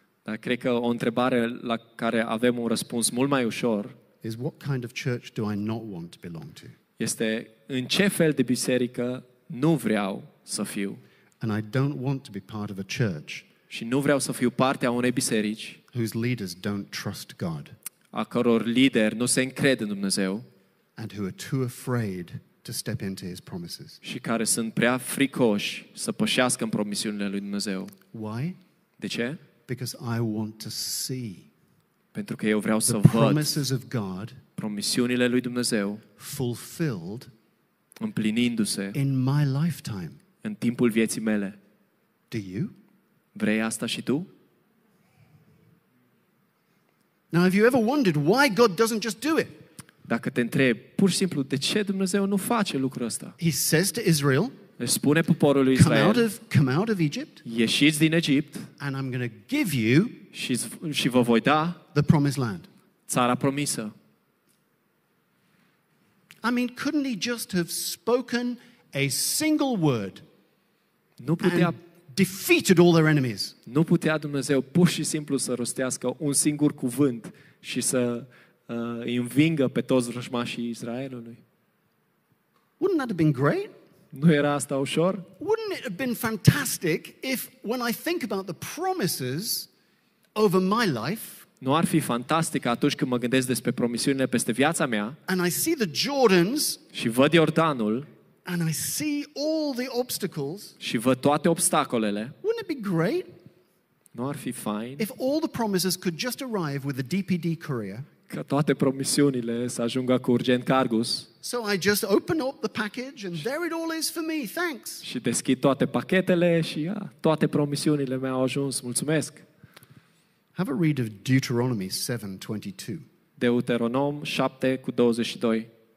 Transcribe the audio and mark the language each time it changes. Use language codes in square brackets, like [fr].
[ro] Dar cred că o întrebare la care avem un răspuns mult mai ușor [en] is what kind of church do I not want to belong to? [ro] Este în ce fel de biserică nu vreau să fiu? [en] And I don't want to be part of a church. [ro] Și nu vreau să fiu parte a unei biserici [en] whose leaders don't trust God. [ro] A căror lider nu se încrede în Dumnezeu. [en] And who are too afraid to step into his promises. [ro] Și care sunt prea fricoși să pășească în promisiunile lui Dumnezeu. [en] Why? [ro] De ce? [en] Because I want to see. [ro] Pentru că eu vreau să văd [en] promises of God, [ro] promisiunile lui Dumnezeu [en] fulfilled, [ro] împlinindu-se [en] in my lifetime. [ro] În timpul vieții mele. [en] Do you? [ro] Vrei asta și tu? [en] Now, have you ever wondered why God doesn't just do it? [ro] Dacă te întrebi, pur și simplu, de ce Dumnezeu nu face lucrul ăsta? [en] He says to Israel, [ro] își spune poporului Israel, [en] come out of Egypt, [ro] ieșiți din Egipt, [en] and I'm going to give you [ro] și vă voi da [en] the promised land. [ro] Țara promisă. [en] I mean, couldn't he just have spoken a single word? [ro] Nu putea [en] defeated all their enemies. [ro] Nu putea Dumnezeu pur și simplu să rostească un singur cuvânt și să învingă pe toți vrăjmașii Israelului. [en] Wouldn't that have been great? [ro] Nu era asta ușor? [en] Wouldn't it have been fantastic if when I think about the promises over my life? [ro] Nu ar fi fantastic atunci când mă gândesc despre promisiunile peste viața mea? [en] And I see the Jordans. [ro] Și văd Iordanul. [en] And I see all the obstacles. [ro] Și văd toate obstacolele. [en] Wouldn't it be great? [ro] Nu ar fi fain? [en] If all the promises could just arrive with the DPD courier. [ro] Că toate promisiunile să ajungă cu Urgent Cargus. [en] So I just open up the package and there it all is for me. Thanks. [ro] Și deschid toate pachetele și toate promisiunile mele au ajuns. Mulțumesc. [en] Have a read of Deuteronomy 7:22. [ro] Deuteronom 7:22.